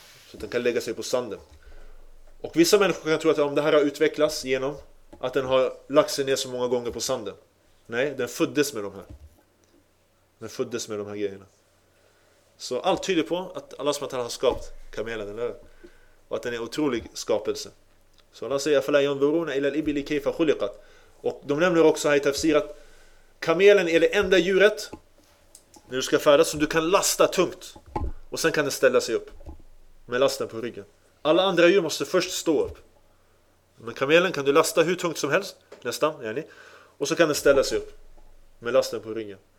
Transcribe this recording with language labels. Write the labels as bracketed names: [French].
[Swedish] Så att den kan lägga sig på sanden. Och vissa människor kan tro att om det här har utvecklats genom att den har lagt sig ner så många gånger på sanden. Nej, den föddes med de här. Den föddes med de här grejerna. Så allt tyder på att Allah som har skapat kamelen, eller hur? Och att den är en otrolig skapelse. Så Allah säger [Arabic] فَلَا يَنْظُرُونَ إِلَى الْإِبِلِ كَيْفَ خُلِقَتْ. [Swedish] Och de nämner också här i tafsir att kamelen är det enda djuret när du ska färdas som du kan lasta tungt. Och sen kan den ställa sig upp med lasten på ryggen. Alla andra djur måste först stå upp. Men kamelen kan du lasta hur tungt som helst, nästan, är ni? Och så kan den ställa sig upp med lasten på ryggen.